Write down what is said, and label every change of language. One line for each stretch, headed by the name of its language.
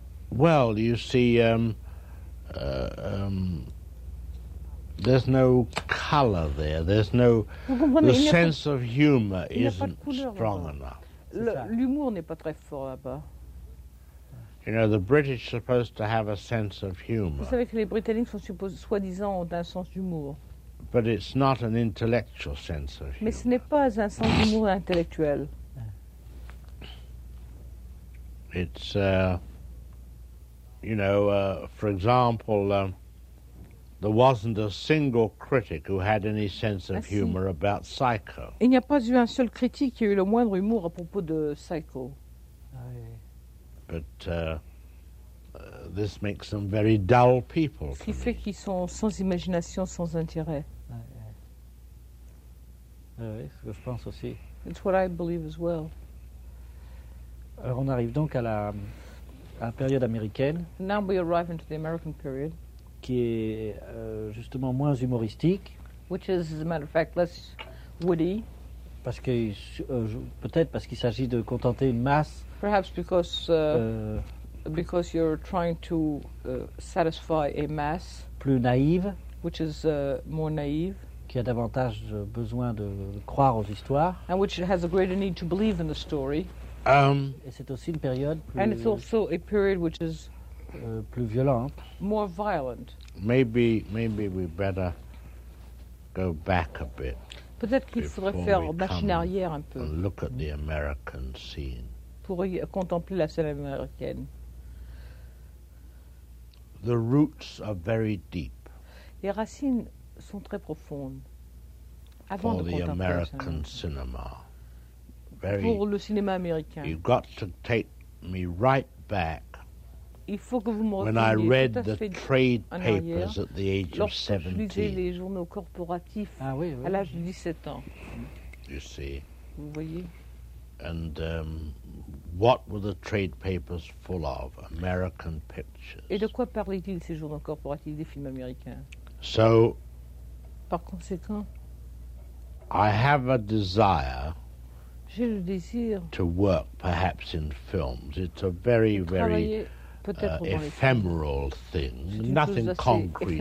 English: Well, you see, there's no color there. There's no the sense of humor isn't strong enough.
French: L'humour n'est pas très fort là-bas.
English: You know, the British are supposed to have a sense of humor.
French: Vous savez que les Britanniques sont supposés, soi-disant, ont un sens d'humour.
English: But it's not an intellectual sense of humor.
French: Mais ce n'est pas un sens d'humour intellectuel.
English: It's, you know, for example, there wasn't a single critic who had any sense of humor about Psycho.
French: Il n'y a pas eu un seul critique qui a eu le moindre humour à propos de Psycho.
English: But this makes them very dull people.
French: Ce qui fait qu'ils sont sans imagination, sans intérêt. Oui, je pense aussi.
English: It's what I believe as well.
French: Alors, on arrive donc à la période américaine.
English: Now we arrive into the American period.
French: Qui est justement moins humoristique.
English: Which is, as a matter of fact, less witty.
French: Parce que peut-être parce qu'il s'agit de contenter une masse.
English: Perhaps because you're trying to satisfy a mass.
French: Plus naïve.
English: Which is more naïve.
French: Qui a davantage besoin de croire aux histoires.
English: And which has a greater need to believe in the story.
French: Et c'est aussi une période plus.
English: And it's also a period which is.
French: Plus violente.
English: More violent. Maybe we better go back a bit.
French: Peut-être qu'il faudrait faire machine arrière un peu.
English: And look at the American scene.
French: Pour y contempler la scène américaine.
English: The roots are very deep.
French: Les racines sont très profondes. Avant
English: for the American cinema.
French: Very, pour le cinéma américain.
English: You've got to take me right back.
French: Il faut que vous me
English: when I read the trade papers at the age of 17.
French: Lorsque je lisais les journaux corporatifs à l'âge de 17 ans.
English: You see.
French: Vous voyez.
English: And what were the trade papers full of? American pictures.
French: Et de quoi parlaient-ils ces journaux corporatifs des films américains?
English: So.
French: Par conséquent.
English: I have a desire.
French: J'ai le désir.
English: To work perhaps in films. It's a very, very. Ephemeral thing, nothing concrete